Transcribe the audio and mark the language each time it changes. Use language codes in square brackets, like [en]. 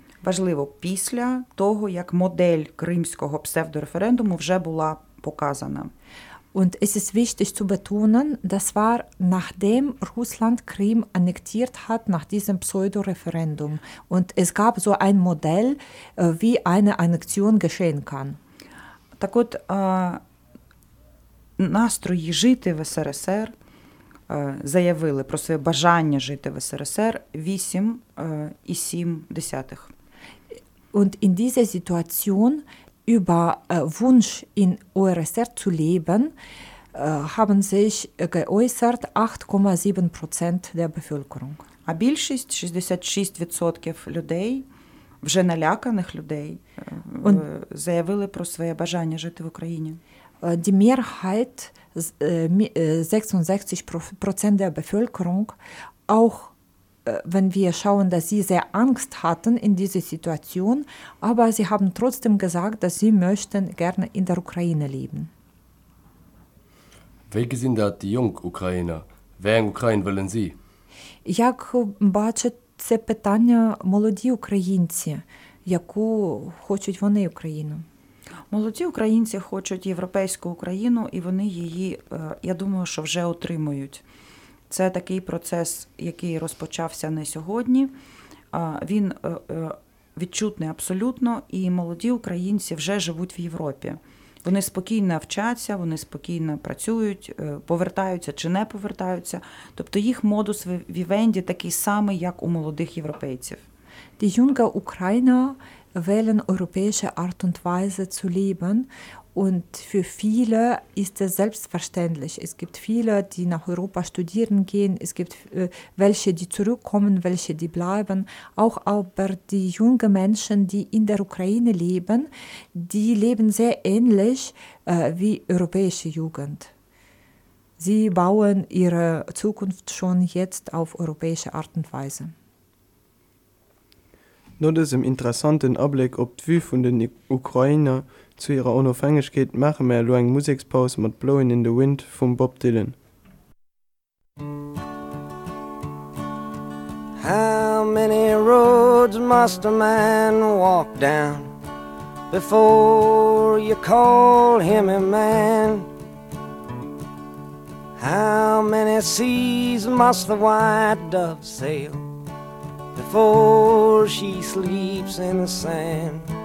[uk] Важливо, після того, як модель кримського псевдореферендуму вже була показана. [de] Und es ist wichtig zu betonen, das war nachdem Russland Krim annektiert hat, nach diesem Pseudo-Referendum. Und es gab so ein Modell, wie eine Annexion geschehen kann. [uk] Так от, настрої жити в СРСР, заявили про своє бажання жити в СРСР, 8,7. [de] Und in dieser Situation über Wunsch in URSR zu leben, haben sich geäußert 8,7% der Bevölkerung. [uk] А більшість, 66% людей, вже наляканих людей, заявили про своє бажання жити в Україні. [de] Die Mehrheit, 66% der Bevölkerung, auch wenn wir schauen, dass sie sehr Angst hatten in dieser Situation, aber sie haben trotzdem gesagt, dass sie möchten gerne in der Ukraine leben. Welche sind da die jungen Ukrainer? Wer in Ukraine wollen sie? [uk] Як бачать це питання молоді українці, яку хочуть вони Україну? Молоді українці хочуть європейську Україну, і вони її, я думаю, що вже отримують. Це такий процес, який розпочався не сьогодні. Він відчутний абсолютно, і молоді українці вже живуть в Європі. Вони спокійно вчаться, вони спокійно працюють, повертаються чи не повертаються. Тобто їх модус вівенді такий самий, як у молодих європейців. [de] Die junge Ukrainer wählen europäische Art und Weise zu leben. Und für viele ist es selbstverständlich. Es gibt viele, die nach Europa studieren gehen. Es gibt welche, die zurückkommen, welche, die bleiben. Auch aber die jungen Menschen, die in der Ukraine leben, die leben sehr ähnlich wie europäische Jugend. Sie bauen ihre Zukunft schon jetzt auf europäische Art und Weise. Nur das im interessanten Blick, ob viele von den Ukrainern zu ihrer Unabhängigkeit machen wir nur eine Musikpause mit Blowing in the Wind von Bob Dylan. [en] How many roads must a man walk down before you call him a man? How many seas must the white dove sail before she sleeps in the sand?